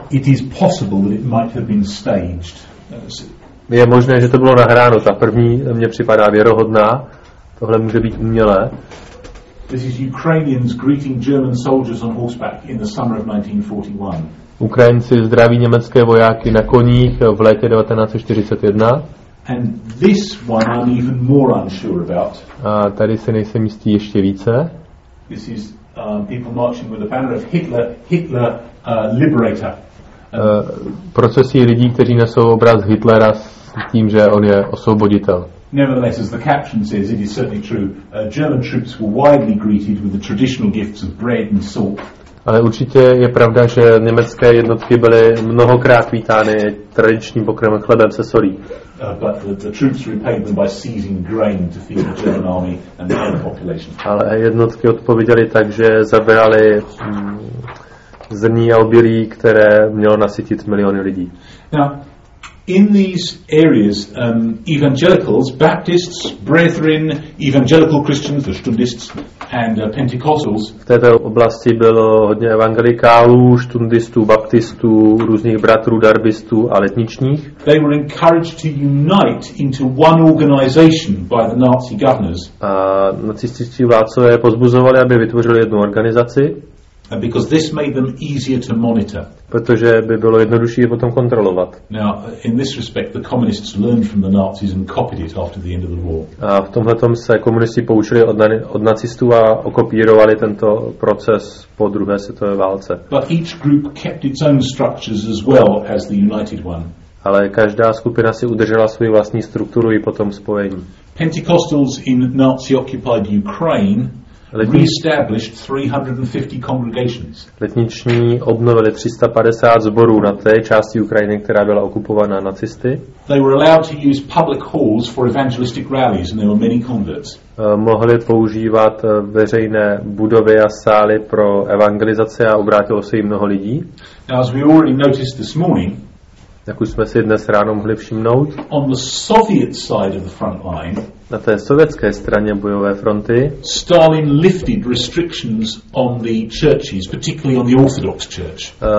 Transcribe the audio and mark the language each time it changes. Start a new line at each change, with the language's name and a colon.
English: It is possible that it might have been staged.
Czech: Je možné, že to bylo nahráno. Ta první mě připadá věrohodná. Tohle může být umělé.
English: This is Ukrainians greeting German soldiers on horseback in the summer of 1941.
Czech: Ukrajinci zdraví německé vojáky na koních v létě 1941.
English: And this one I'm even more unsure about.
Czech: A tady si nejsem jistý ještě více.
English: This is people marching with a banner of Hitler liberator.
Czech: Procesí lidí, kteří nesou obraz Hitlera s tím, že on je osvoboditel.
English: Nevertheless, as the caption says, it is certainly true. German troops were widely greeted with the traditional gifts of bread and salt.
Czech: Ale určitě je pravda, že německé jednotky byly mnohokrát vítány tradičním pokrmem chlebem se solí.
English: But the troops repaid them by seizing grain to feed the German army and the population.
Czech: Ale jednotky odpověděly tak, že zabrali zrní a obilí, které mělo nasytit miliony lidí.
English: Now, in these areas, evangelicals, Baptists, Brethren, evangelical Christians, the Stundists, and Pentecostals.
Czech: V této oblasti bylo hodně evangelikálů, Stundistů, Baptistů, různých bratrů, Darbistů a letničních.
English: They were encouraged to unite into one organization by the Nazi governors.
Czech: A nacističtí vládcové pozbuzovali, aby vytvořili jednu organizaci.
English: And because this made them easier to monitor.
Czech: Protože by bylo jednodušší je potom kontrolovat.
English: Now, in this respect, the communists learned from the Nazis and copied it after the end of the war.
Czech: A v tomhletom se komunisti poučili od nacistů a okopírovali tento proces po druhé světové válce.
English: But each group kept its own structures as well as the united one.
Czech: Ale každá skupina si udržela svou vlastní strukturu i potom spojení.
English: Pentecostals in Nazi-occupied Ukraine re-established 350 congregations.
Czech: Letniční obnovili 350 zborů na té části Ukrajiny, která byla okupovaná nacisty.
English: They were allowed to use public halls for evangelistic rallies and there were many converts.
Czech: Mohli používat veřejné budovy a sály pro evangelizace a obrátilo se jim mnoho lidí.
English: Now, as we already noticed this morning,
Czech: jak už jsme si dnes ráno mohli všimnout,
English: on the Soviet side of the front line,
Czech: na té sovětské straně bojové fronty,
English: Stalin lifted restrictions on the churches, particularly on the Orthodox Church.